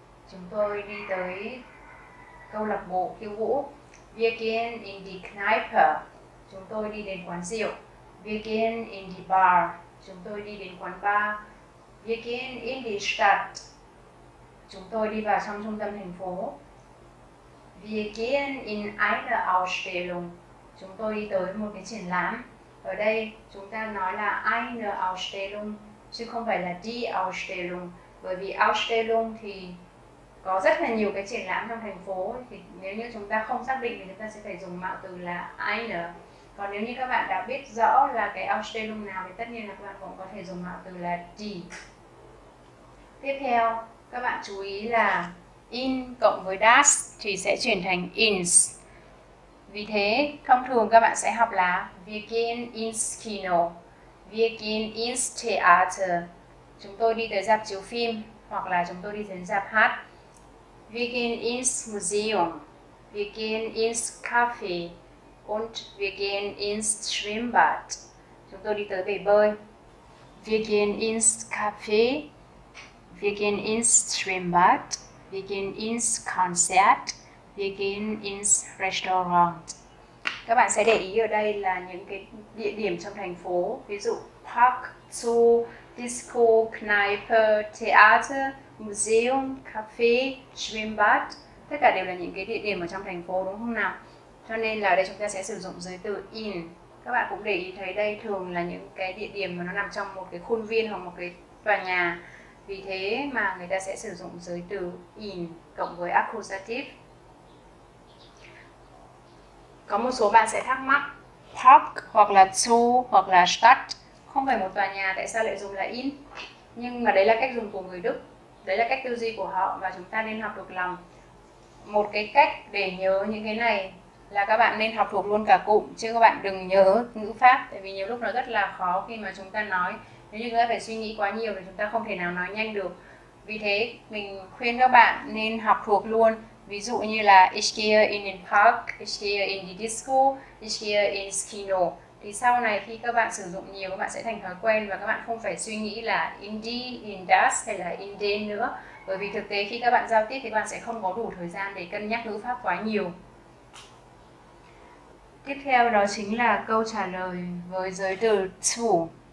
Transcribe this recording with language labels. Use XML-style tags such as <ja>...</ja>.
<vi>Chúng tôi đi tới câu lạc bộ khiêu vũ.</vi> <de>Wir gehen in die Kneipe.</de> <vi>Chúng tôi đi đến quán rượu.</vi> <de>Wir gehen in die Bar.</de> <vi>Chúng tôi đi đến quán bar.</vi> <de>Wir gehen in die Stadt.</de> <vi>Chúng tôi đi vào trong trung tâm thành phố.</vi> <de>Wir gehen in eine Ausstellung.</de> <vi>Chúng tôi đi tới một cái triển lãm. Ở đây chúng ta nói là eine Ausstellung chứ không phải là die Ausstellung. Bởi vì Ausstellung thì có rất là nhiều cái triển lãm trong thành phố. Thì nếu như chúng ta không xác định thì chúng ta sẽ phải dùng mạo từ là eine. Còn nếu như các bạn đã biết rõ là cái Ausstellung nào thì tất nhiên là các bạn cũng có thể dùng mạo từ là die. Tiếp theo, các bạn chú ý là in cộng với das thì sẽ chuyển thành ins. Vì thế, thông thường các bạn sẽ học là</vi> <de>wir gehen ins Kino, wir gehen ins Theater.</de> <vi>Chúng tôi đi tới rạp chiếu phim hoặc là chúng tôi đi đến rạp hát.</vi> <de>Wir gehen ins Museum, wir gehen ins Café und wir gehen ins Schwimmbad.</de> <vi>Chúng tôi đi tới bể bơi.</vi> <de>Wir gehen ins Café. Wir gehen ins Schwimmbad, wir gehen ins Konzert, wir gehen ins Restaurant.</de> <vi>Các bạn sẽ để ý ở đây là những cái địa điểm trong thành phố, ví dụ Park, Zoo, Disco, Kneipe, Theater, Museum, Café, Schwimmbad. Tất cả đều là những cái địa điểm ở trong thành phố đúng không nào? Cho nên là ở đây chúng ta sẽ sử dụng giới từ in. Các bạn cũng để ý thấy đây thường là những cái địa điểm mà nó nằm trong một cái khuôn viên hoặc một cái tòa nhà. Vì thế mà người ta sẽ sử dụng giới từ in cộng với accusative. Có một số bạn sẽ thắc mắc Park hoặc là Zoo hoặc là Stadt không phải một tòa nhà, tại sao lại dùng là in? Nhưng mà đấy là cách dùng của người Đức, đấy là cách tư duy của họ và chúng ta nên học được lòng. Một cái cách để nhớ những cái này là các bạn nên học thuộc luôn cả cụm, chứ các bạn đừng nhớ ngữ pháp. Tại vì nhiều lúc nó rất là khó khi mà chúng ta nói. Nếu như chúng ta phải suy nghĩ quá nhiều thì chúng ta không thể nào nói nhanh được. Vì thế mình khuyên các bạn nên học thuộc luôn Ví dụ như là</vi> <de>ich gehe in den Park, ich gehe in die Disco, ich gehe ins Kino.</de> <vi>Thì sau này khi các bạn sử dụng nhiều, các bạn sẽ thành thói quen và các bạn không phải suy nghĩ là in đi, in das hay là in den nữa. Bởi vì thực tế khi các bạn giao tiếp thì các bạn sẽ không có đủ thời gian để cân nhắc ngữ pháp quá nhiều. Tiếp theo đó chính là câu trả lời với giới từ zu.</vi>